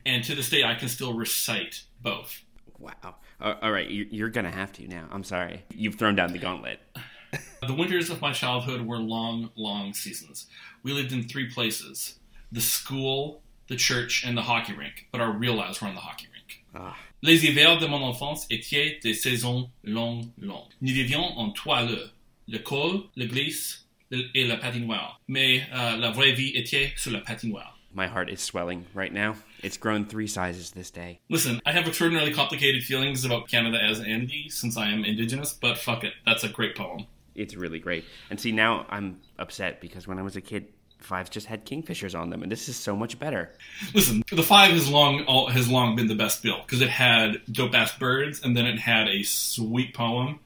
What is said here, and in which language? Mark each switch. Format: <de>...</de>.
<en>And to this day, I can still recite both. Wow. All right, you're going to have to now. I'm sorry. You've thrown down the gauntlet. The winters of my childhood were long, long seasons. We lived in three places, the school, the church, and the hockey rink. But our real lives were on the hockey rink.</en> <fr>Les hivers de mon enfance étaient des saisons longues, longues. Nous vivions en toile, l'école, l'église, et la patinoire. Mais la vraie vie était sur la patinoire.</fr> <en>My heart is swelling right now. It's grown three sizes this day. Listen, I have extraordinarily complicated feelings about Canada as Andy, since I am Indigenous, but fuck it. That's a great poem. It's really great. And see, now I'm upset because when I was a kid, Fives just had Kingfishers on them, and this is so much better. Listen, the Five has long been the best bill because it had dope-ass birds, and then it had a sweet poem.</en>